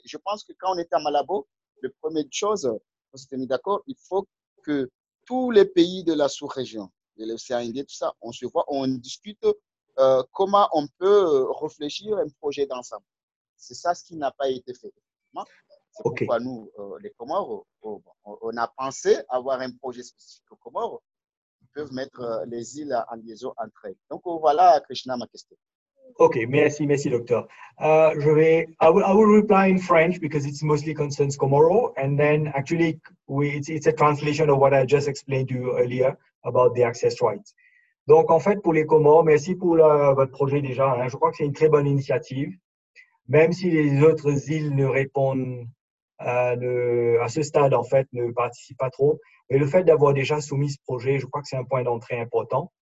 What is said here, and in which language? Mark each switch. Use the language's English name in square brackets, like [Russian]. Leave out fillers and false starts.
[French] Je pense que quand on est à Malabo, la première chose, on s'est mis d'accord, il faut que tous les pays de la sous-région, de l'océan Indien, tout ça, on se voit, on discute comment on peut réfléchir un projet d'ensemble. C'est ça ce qui n'a pas été fait. C'est okay. Pourquoi nous, les Comores, on a pensé avoir un projet spécifique aux Comores qui peuvent mettre les îles en liaison entre elles. Donc voilà, Krishna, ma question. Ok, merci, docteur. [English] I will reply in French because it's mostly concerns Comoro, and then actually it's a translation of what I just explained to you earlier about the access rights. [French] Donc en fait, pour les Comores, merci pour votre projet déjà. Hein. Je crois que c'est une très bonne initiative. Même si les autres îles ne répondent à ce stade, en fait, ne participent pas trop. Mais le fait d'avoir déjà soumis ce projet, je crois que c'est un point d'entrée important.